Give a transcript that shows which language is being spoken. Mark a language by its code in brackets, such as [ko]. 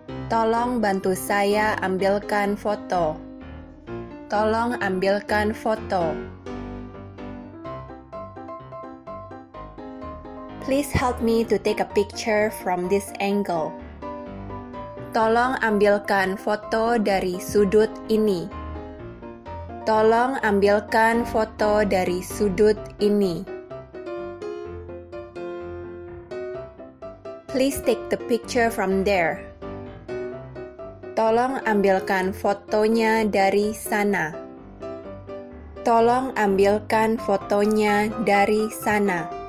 [id] Tolong bantu saya ambilkan foto. Tolong ambilkan foto. [en] Please help me to take a picture from this angle. [id] Tolong ambilkan foto dari sudut ini. Tolong ambilkan foto dari sudut ini. [en] Please take the picture from there. [id] Tolong ambilkan fotonya dari sana. Tolong ambilkan fotonya dari sana.